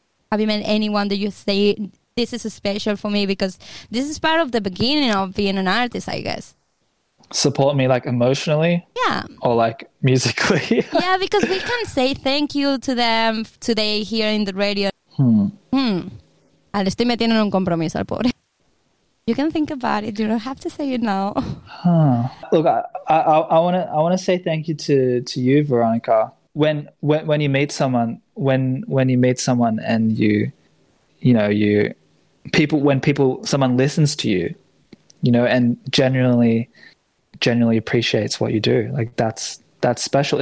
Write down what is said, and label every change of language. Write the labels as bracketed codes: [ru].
[en] Have you met anyone that you say, this is special for me because this is part of the beginning of being an artist, I guess. Support me like emotionally? Yeah. Or like musically? Yeah, because we can say thank you to them today here in the radio. [es] Le estoy metiendo en un compromiso al pobre. [en] You can think about it. You don't have to say it now. Look, I want to say thank you to you, Veronica. When you meet someone, when you meet someone and someone listens to you, you know, and genuinely appreciates what you do, like that's special.